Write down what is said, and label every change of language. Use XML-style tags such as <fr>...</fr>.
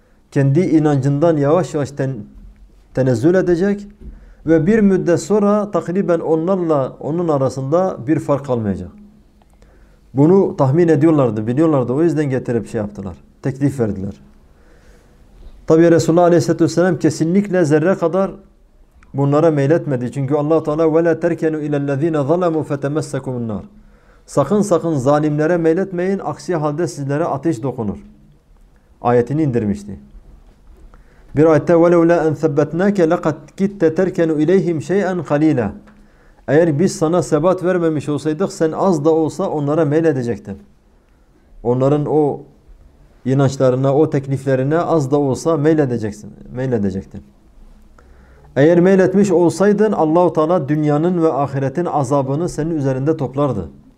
<tr>Kendi inancından yavaş yavaş tenezzül edecek ve bir müddet sonra takriben onlarla onun arasında bir fark kalmayacak. Bunu tahmin ediyorlardı, biliyorlardı. O yüzden getirip şey yaptılar, teklif verdiler. Tabii Resulullah Aleyhisselatü Vesselam kesinlikle zerre kadar bunlara meyletmedi. Çünkü Allah-u Teala</tr> <ar>وَلَا تَرْكَنُوا اِلَى الَّذ۪ينَ ظَلَمُوا فَتَمَسَّكُمُ النَّارِ.</ar> <tr>Sakın sakın zalimlere meyletmeyin, aksi halde sizlere ateş dokunur. Ayetini indirmişti. Bir ayette</tr> <ar>وَلَوْ لَا اَنْ ثَبَّتْنَاكَ لَقَدْ كِتَّ تَرْكَنُوا اِلَيْهِمْ شَيْئًا قَلِيلًا.</ar> <tr>Eğer biz sana sebat vermemiş olsaydık, sen az da olsa onlara meyledecektin. Onların o inançlarına, o tekliflerine az da olsa meyledeceksin, meyledecektin. Eğer meyletmiş olsaydın, Allah-u Teala dünyanın ve ahiretin azabını senin üzerinde toplardı.</tr>